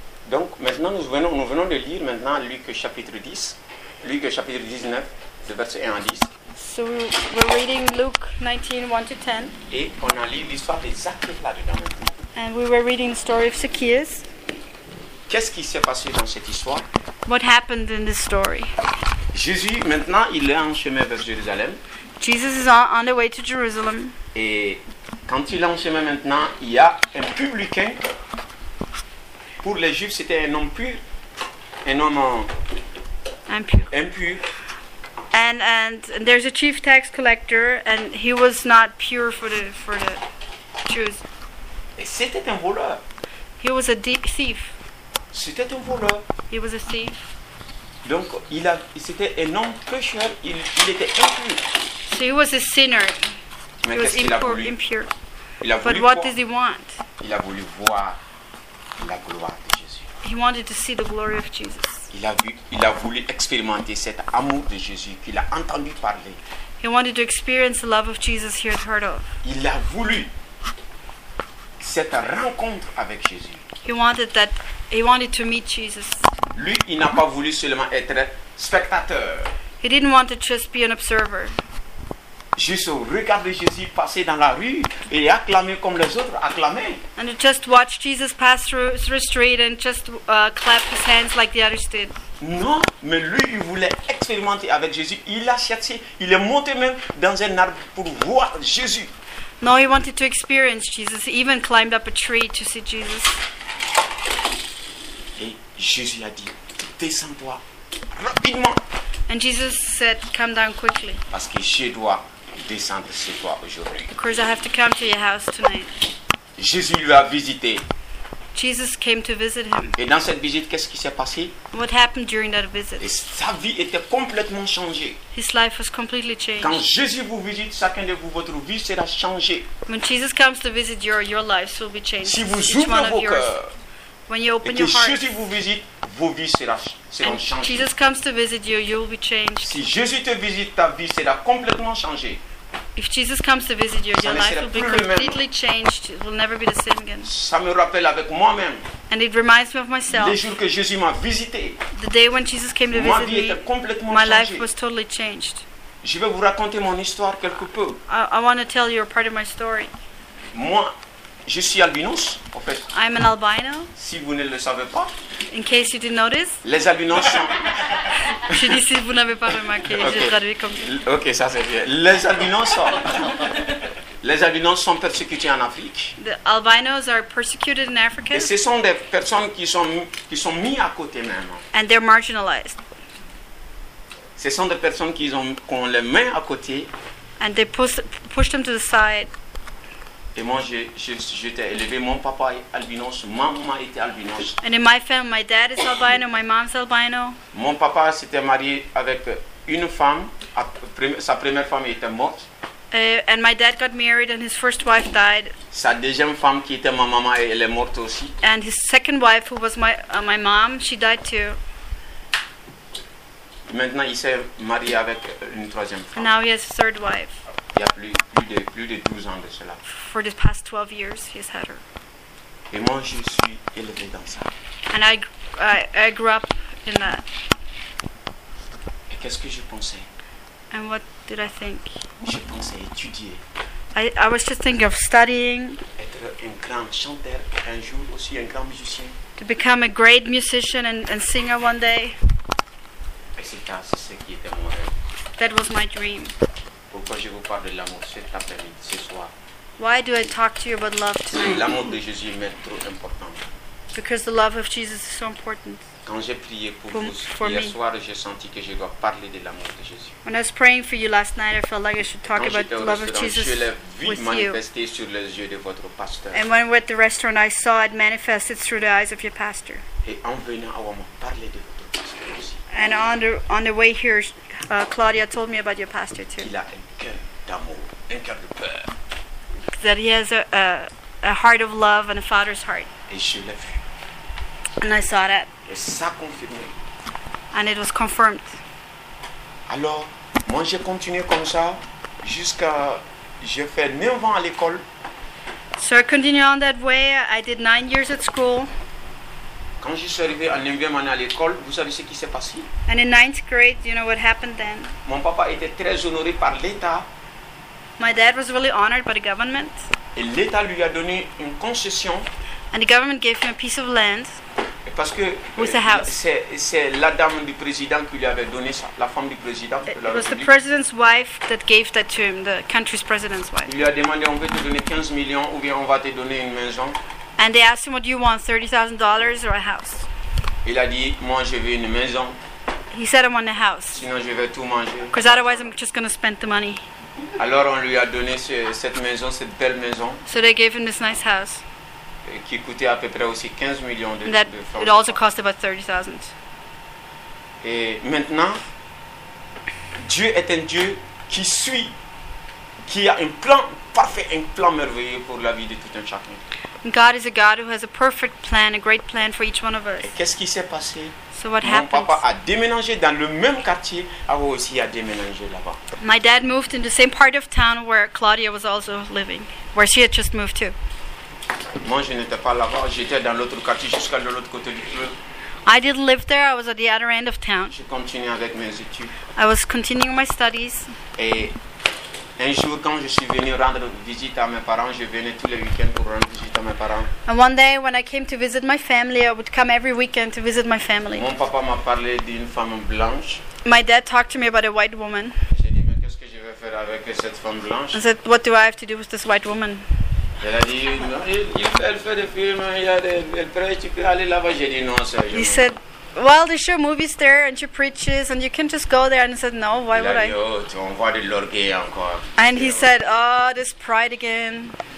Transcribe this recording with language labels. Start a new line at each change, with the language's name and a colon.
French: Donc maintenant nous venons de lire maintenant Luc chapitre 10, Luc chapitre 19, de verset 1 à 10.
English: So we're reading Luke 19, 1 to 10.
French: Et on a lu l'histoire de Zacchée là-dedans.
English: And we were reading the story of Zacchaeus.
French: Qu'est-ce qui s'est passé dans cette histoire?
English: What happened in this story?
French: Jésus, maintenant, il est en chemin vers Jérusalem.
English: Jesus is on the way to Jerusalem.
French: Et quand il est en chemin maintenant, il y a un publicain. Pour les Juifs, c'était un homme pur. Un homme impur.
English: And there's a chief tax collector, and he was not pure for the Jews.
French: Et c'était un voleur.
English: He was a thief.
French: C'était un voleur.
English: He was a thief.
French: Donc c'était un homme pécheur. Il était impur.
English: So he was a sinner.
French: Mais
English: he was impure. But
French: voir.
English: What does he want?
French: Il a voulu voir la gloire de Jésus.
English: He wanted to see the glory of Jesus.
French: Il a voulu expérimenter cet amour de Jésus qu'il a entendu parler.
English: He wanted to experience the love of Jesus he had heard of.
French: Il a voulu cette rencontre avec Jésus.
English: He wanted to meet Jesus.
French: Lui, il n'a pas voulu seulement être spectateur.
English: He didn't want to just be an observer.
French: Juste regarder Jésus passer dans la rue et acclamer comme les autres acclamaient.
English: And to just watch Jesus pass through street and just clap his hands like the others did.
French: Non, mais lui, il voulait expérimenter avec Jésus. Il a cherché, il est monté même dans un arbre pour voir Jésus.
English: No, he wanted to experience Jesus. He even climbed up a tree to see Jesus.
French: Et Jésus a dit, descends-toi rapidement.
English: And Jesus said, come down quickly.
French: Parce que je dois descendre chez toi aujourd'hui.
English: Because I have to come to your house tonight.
French: Jésus lui a visité.
English: Jesus came to visit him.
French: Et dans cette visite, qu'est-ce qui s'est passé?
English: What happened during that visit?
French: Et sa vie était complètement changée.
English: His life was completely changed.
French: Quand Jésus vous visite, chacun de vous, votre vie sera changée.
English: When Jesus comes to visit you, your lives will be changed.
French: Si vous ouvrez vos cœurs,
English: when you open
French: et
English: your heart,
French: Jésus vous visite, vos vies seront changées.
English: Jesus comes to visit you, you will be changed.
French: Si Jésus te visite, ta vie sera complètement changée.
English: If Jesus comes to visit you, your life will be completely changed. It will never be the same again.
French: Ça me rappelle avec moi-même.
English: And it reminds me of myself.
French: Les jours que Jésus m'a visité.
English: The day when Jesus came to visit me,
French: ma vie était complètement changée.
English: My life was totally changed.
French: Je vais vous raconter mon histoire quelque peu.
English: I want to tell you a part of my story.
French: Moi, je suis albinos, en fait.
English: I'm an albino.
French: Si vous ne le savez pas.
English: In case you didn't notice.
French: Les albinos sont... Je dis si vous n'avez pas remarqué, okay. J'ai traduit comme ça. Ok, ça c'est bien. Les albinos sont... Les albinos sont persécutés en Afrique.
English: The albinos are persecuted in Africa.
French: Et ce sont des personnes qui sont mis à côté même.
English: And they're marginalized.
French: Ce sont des personnes qui ont les mains à côté.
English: And they push them to the side.
French: Et moi, j'étais élevé. Mon papa est albinos. Ma maman était albinos.
English: And in my family, my dad is albino. My mom's albino.
French: Mon papa s'était marié avec une femme. Sa première femme était morte.
English: And my dad got married and his first wife died.
French: Sa deuxième femme qui était ma maman, elle est morte aussi.
English: And his second wife, who was my mom, she died too.
French: Maintenant, il s'est marié avec une troisième femme.
English: Now he has a third wife.
French: Il y a plus de 12 ans de cela.
English: For the past 12 years, he's had her.
French: Et moi, je suis élevé dans ça.
English: And I grew up in that.
French: Et qu'est-ce que je pensais?
English: And what did I think?
French: Je pensais étudier.
English: I was just thinking of studying.
French: Être un grand chanteur, un jour aussi un grand musicien.
English: To become a great musician and singer one day.
French: Et c'est ça, c'est ce qui était mon rêve.
English: That was my dream.
French: Pourquoi je vous parle de l'amour cet après-midi, ce soir?
English: Why do I talk to you about love tonight?
French: L'amour de Jésus m'est trop important.
English: Because the love of Jesus is so important.
French: Quand j'ai prié pour vous hier me. Soir, j'ai senti que je dois parler de l'amour de Jésus.
English: When I was praying for you last night, I felt like I should talk
French: quand
English: about the love of Jesus
French: je l'ai vu
English: with
French: manifester
English: you.
French: Sur les yeux de votre pasteur.
English: And when we were at the restaurant, I saw it manifested through the eyes of your pastor.
French: Et en venant, on m'a parlé de votre pasteur aussi.
English: And on the way here, Claudia told me about your pastor too.
French: Il a un cœur d'amour, un cœur de peur.
English: That he has a heart of love and a father's heart.
French: Et je l'ai vu.
English: And I saw that.
French: Et ça confirmé.
English: And it was confirmed.
French: Alors, moi j'ai continué comme ça jusqu'à j'ai fait 9 ans à l'école.
English: So I continued on that way. I did 9 years at school.
French: Quand je suis arrivé en 9e année à l'école, vous savez ce qui s'est passé?
English: And in 9th grade, you know what happened then?
French: Mon papa était très honoré par l'État.
English: My dad was really honored by the government.
French: Et l'État lui a donné une concession.
English: And the government gave him a piece of land.
French: Et parce que
English: with a house.
French: C'est la dame du président qui lui avait donné ça, la femme du président.
English: It was the president's wife that gave that to him, the country's president's wife.
French: Il lui a demandé, on veut te donner 15 millions ou bien on va te donner une maison.
English: And they asked him, what do you want, $30,000 or a house?
French: Il a dit, moi je veux une maison.
English: He said, I want a house.
French: Sinon je vais tout manger.
English: Because otherwise I'm just going to spend the money.
French: Alors on lui a donné cette maison, cette belle maison.
English: So they gave him this nice house.
French: Qui coûtait à peu près aussi 15 millions de francs.
English: It also cost about 30,000.
French: Et maintenant, Dieu est un Dieu qui suit, qui a un plan parfait, un plan merveilleux pour la vie de tout un chacun.
English: God is a God who has a perfect plan, a great plan for each one of us.
French: Et qu'est-ce qui s'est passé?
English: So what
French: Mon
English: happens?
French: Papa a déménagé dans le même quartier, avant aussi a déménagé là-bas.
English: My dad moved in the same part of town where Claudia was also living, where she had just moved to.
French: Moi, je n'étais pas là-bas. J'étais dans l'autre quartier, jusqu'à l'autre côté du fleuve.
English: I didn't live there. I was at the other end of town.
French: Je continuais avec mes études.
English: I was continuing my studies.
French: Et un jour, quand je suis venu rendre visite à mes parents, je venais tous les week-ends pour rendre visite à mes parents.
English: And one day, when I came to visit my family, I would come every weekend to visit my family.
French: Mon papa m'a parlé d'une femme blanche.
English: My dad talked to me about a white woman.
French: J'ai dit, mais qu'est-ce que je vais faire avec cette femme blanche?
English: I said, what do I have to do with this white woman?
French: Elle a dit, non, elle fait des films, elle prêche, tu peux aller là-bas. J'ai dit, non, ça.
English: He said, well, they show movies there and she preaches and you can just go there. And I said, no, why
French: Il
English: would
French: dit,
English: I?
French: Oh, tu envoies de l'orgueil encore.
English: And he said, oh, this pride again.